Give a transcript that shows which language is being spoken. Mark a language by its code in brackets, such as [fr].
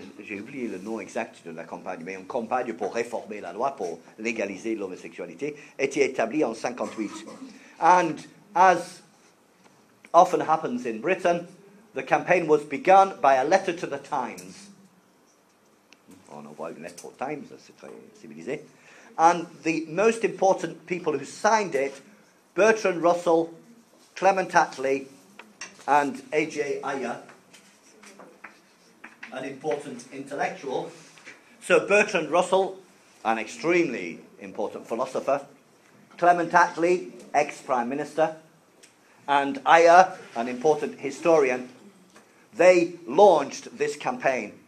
[fr] j'ai oublié le nom exact de la campagne, mais une campagne pour réformer la loi, pour légaliser l'homosexualité, était établie en 58. [en] And as often happens in Britain, the campaign was begun by a letter to the Times. [fr] On envoie une lettre au Times, c'est très civilisé. [en] And the most important people who signed it, Bertrand Russell, Clement Attlee, and A.J. Ayer, an important intellectual. So Bertrand Russell, an extremely important philosopher, Clement Attlee, ex-prime minister, and Ayer, an important historian, they launched this campaign.